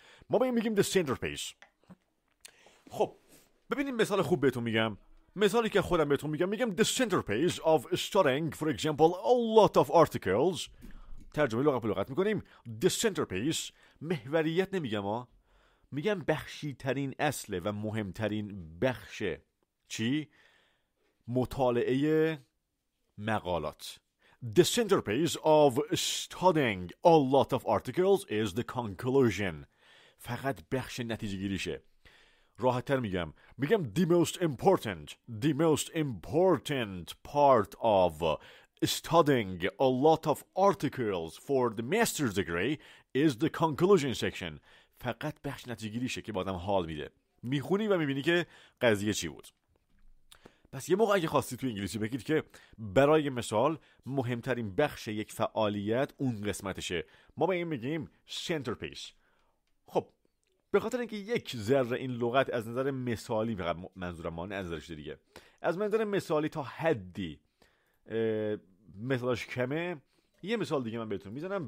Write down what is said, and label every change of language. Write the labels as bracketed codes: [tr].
[fa] ما به این میگیم [en] the centerpiece. خب ببینیم مثال خوب بهتون میگم، مثالی که خودم بهتون میگم، میگم the centerpiece of studying, for example, a lot of articles. [fa] ترجمه لغت به لغت میکنیم the centerpiece، محوریت نمیگم، میگم بخشی ترین، اصله و مهمترین بخش چی؟ مطالعه مقالات. [en] The centerpiece of studying a lot of articles is the conclusion. [fa] فقط بخش نتیجه گیریشه. راحت تر میگم، میگم [en] the most important part of studying a lot of articles for the master's degree is the conclusion section. [fa] فقط بخش نتیجه‌گیریشه که با آدم حال میده. میخونی و میبینی که قضیه چی بود. پس یه موقع اگه خواستی تو انگلیسی بگید که برای مثال مهمترین بخش یک فعالیت اون قسمتشه، ما به این میگیم centerpiece. خب به خاطر اینکه یک ذره این لغت از نظر مثالی، فقط منظورم ما از نظرش دیگه، از منظر مثالی تا حدی مثالش کمه، یه مثال دیگه من بهتون میزنم.